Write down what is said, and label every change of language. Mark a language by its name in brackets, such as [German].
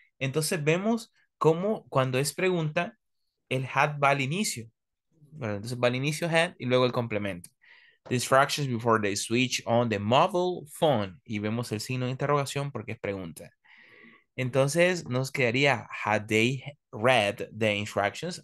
[Spanish] Entonces vemos cómo cuando es pregunta, el had va al inicio. Bueno, entonces va al inicio had y luego el complemento. [English] The instructions before they switch on the mobile phone. [Spanish] Y vemos el signo de interrogación porque es pregunta. Entonces, nos quedaría, [English] had they read the instructions?